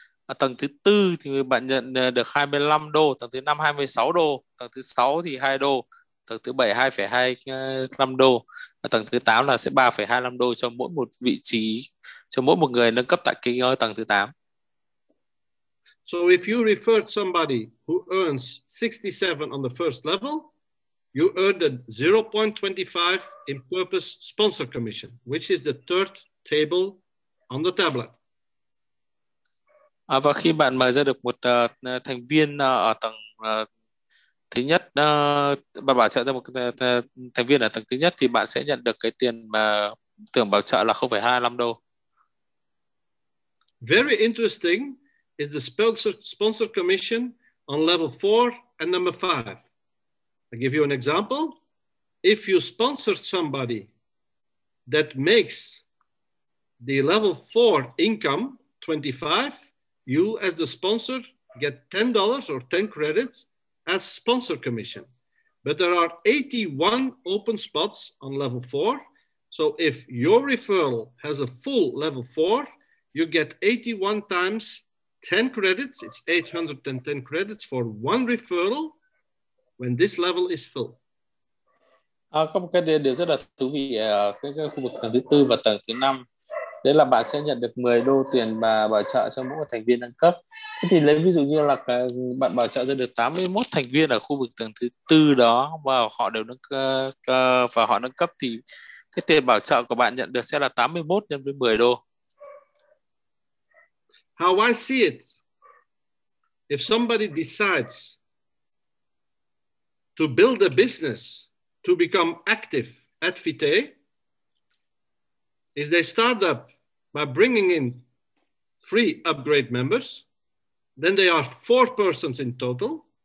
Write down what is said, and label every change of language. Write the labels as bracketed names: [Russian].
[Vietnamese] Ở tầng thứ 4 thì bạn nhận được 25 đô, tầng thứ 5 26 đô, tầng thứ 6 thì 2 đô, tầng thứ 7 2.25 đô và tầng thứ 8 là sẽ 3.25 đô cho mỗi một vị trí cho mỗi một người nâng cấp tại cái tầng thứ 8. [English] So if you refer somebody who earns 67 on the first level, you earn the 0.25 in purpose sponsor commission, which is the third table on the tablet. [Vietnamese] Và khi bạn mời ra được một thành viên ở tầng thứ nhất, bạn bảo trợ ra một thành viên ở tầng thứ nhất thì bạn sẽ nhận được cái tiền mà tưởng bảo trợ là 0.25 đô. [English] Very interesting is the sponsor commission on level 4 and number 5. I give you an example. If you sponsor somebody that makes the level 4 income 25, you as the sponsor get $10 or 10 credits as sponsor commission. But there are 81 open spots on level 4. So if your referral has a full level 4, you get 81 times 10 credits, it's 810 credits for one referral when this level is full. [Vietnamese] Có một cái điều rất là thú vị ở cái khu vực tầng thứ 4 và tầng thứ 5. Đấy là bạn sẽ nhận được 10 đô tiền và bảo trợ cho mỗi một thành viên nâng cấp. Thế thì lấy ví dụ như là bạn bảo trợ ra được 81 thành viên ở khu vực tầng thứ 4 đó và họ đều nâng cấp thì cái tiền bảo trợ của bạn nhận được sẽ là 81 nhân với 10 đô. [English] How I see it, if somebody decides to build a business to become active at Vitae, is they start up by bringing in 3 upgrade members, then they are 4 persons in total.